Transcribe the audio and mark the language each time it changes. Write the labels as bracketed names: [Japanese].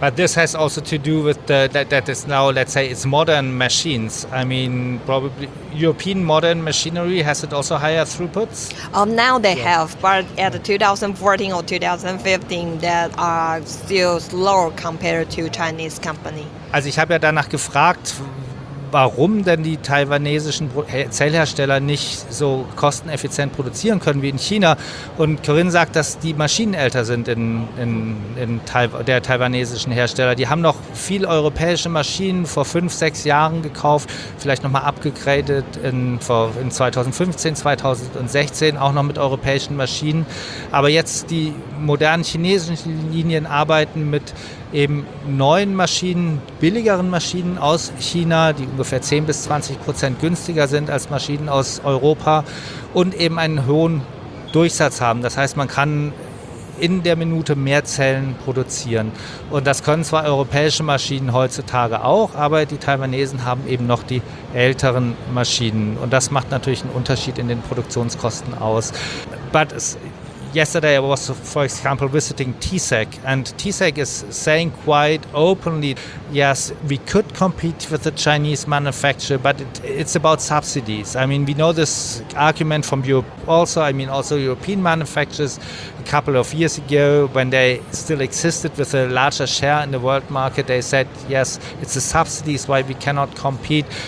[English] But this has also to do with the, that is now, let's say, it's modern machines. I mean, probably European modern machinery, has it also higher throughputs? Now they have, but at 2014 or 2015, that are still slower compared to Chinese company. [German] Also ich habe ja danach gefragt, warum denn die taiwanesischen Zellhersteller nicht so kosteneffizient produzieren können wie in China. Und Corinne sagt, dass die Maschinen älter sind in der taiwanesischen Hersteller. Die haben noch viel europäische Maschinen vor 5, 6 Jahren gekauft, vielleicht nochmal abgegradet in 2015, 2016, auch noch mit europäischen Maschinen. Aber jetzt die modernen chinesischen Linien arbeiten mit eben neuen Maschinen, billigeren Maschinen aus China, die ungefähr 10-20% günstiger sind als Maschinen aus Europa und eben einen hohen Durchsatz haben. Das heißt, man kann in der Minute mehr Zellen produzieren. Und das können zwar europäische Maschinen heutzutage auch, aber die Taiwanesen haben eben noch die älteren Maschinen. Und das macht natürlich einen Unterschied in den Produktionskosten aus. [English] But yesterday I was, for example, visiting TSEC, and TSEC is saying quite openly, yes, we could compete with the Chinese manufacturer, but it's about subsidies. I mean, we know this argument from Europe also. I mean, also European manufacturers a couple of years ago, when they still existed with a larger share in the world market, they said, yes, it's the subsidies why we cannot compete.